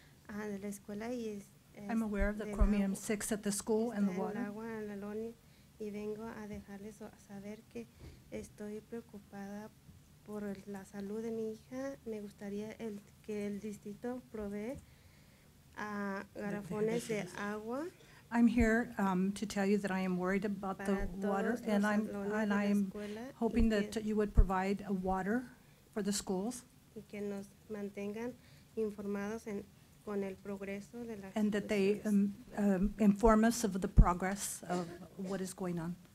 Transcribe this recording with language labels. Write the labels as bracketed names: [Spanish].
[English] I'm aware of the chromium 6 at the school and the water. [Spanish] Y vengo a dejarles saber que estoy preocupada por la salud de mi hija. Me gustaría que el distrito provee garrafones de agua. [English] I'm here to tell you that I am worried about the water, and I'm hoping that you would provide a water for the schools. [Spanish] Y que nos mantengan informados en con el progreso de la [English] and that they inform us of the progress of what is going on.